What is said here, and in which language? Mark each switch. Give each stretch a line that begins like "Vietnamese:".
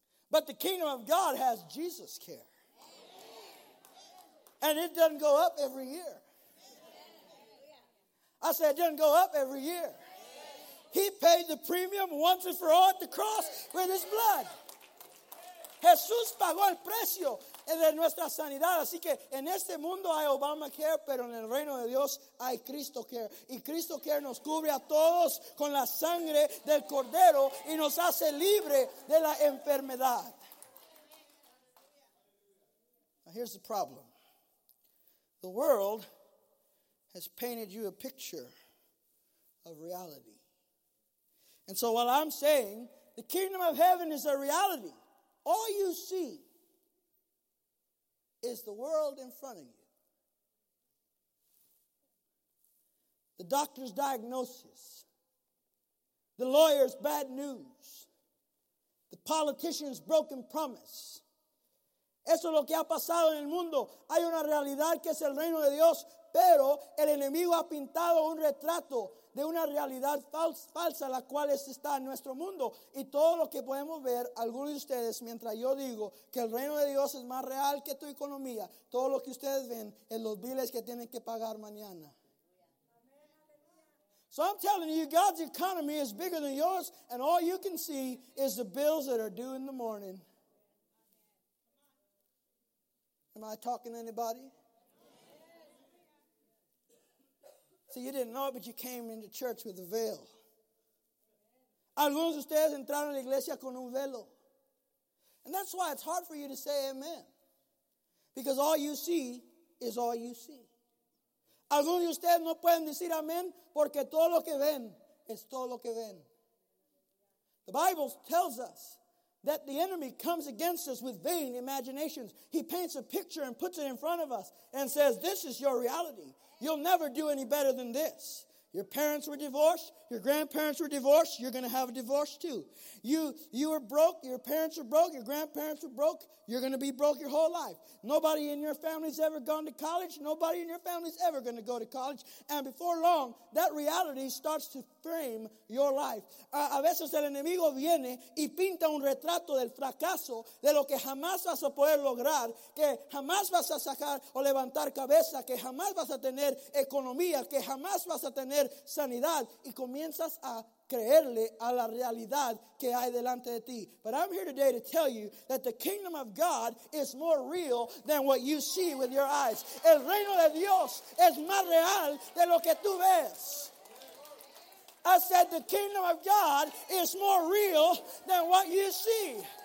English: But the kingdom of God has Jesus care. And it doesn't go up every year. I said it doesn't go up every year. He paid the premium once and for all at the cross with his blood.
Spanish: Jesús pagó el precio de nuestra sanidad. Así que en este mundo hay Obamacare, pero en el reino de Dios hay Cristo Care. Y Cristo Care nos cubre a todos con la sangre del Cordero y nos hace libre de la enfermedad.
English: Now here's the problem. The world has painted you a picture of reality. And so while I'm saying the kingdom of heaven is a reality, all you see is the world in front of you. The doctor's diagnosis, the lawyer's bad news, the politician's broken promise.
Spanish: Eso es lo que ha pasado en el mundo. Hay una realidad que es el reino de Dios, pero el enemigo ha pintado un retrato de una realidad falsa, la cual está en nuestro mundo. Y todo lo que podemos ver, algunos de ustedes, mientras yo digo que el reino de Dios es más real que tu economía, todo lo que ustedes ven es los biles que tienen que pagar mañana.
English: So I'm telling you, God's economy is bigger than yours, and all you can see is the bills that are due in the morning. Am I talking to anybody? So you didn't know it, but you came into church with a veil.
Spanish: Algunos de ustedes entraron a la iglesia con un velo.
English: And that's why it's hard for you to say amen. Because all you see is all you see.
Spanish: Algunos de ustedes no pueden decir amén porque todo lo que ven es todo lo que ven.
English: The Bible tells us that the enemy comes against us with vain imaginations. He paints a picture and puts it in front of us and says, this is your reality. You'll never do any better than this. Your parents were divorced. Your grandparents were divorced. You're going to have a divorce too. You were broke. Your parents were broke. Your grandparents were broke. You're going to be broke your whole life. Nobody in your family's ever gone to college. Nobody in your family's ever going to go to college. And before long, that reality starts to frame your life.
Spanish: A veces el enemigo viene y pinta un retrato del fracaso, de lo que jamás vas a poder lograr, que jamás vas a sacar o levantar cabeza, que jamás vas a tener economía, que jamás vas a tener sanidad, y comienzas a creerle a la realidad que hay delante de ti.
English: But I'm here today to tell you that the kingdom of God is more real than what you see with your eyes.
Spanish: El reino de Dios es más real de lo que tú ves.
English: I said the kingdom of God is more real than what you see.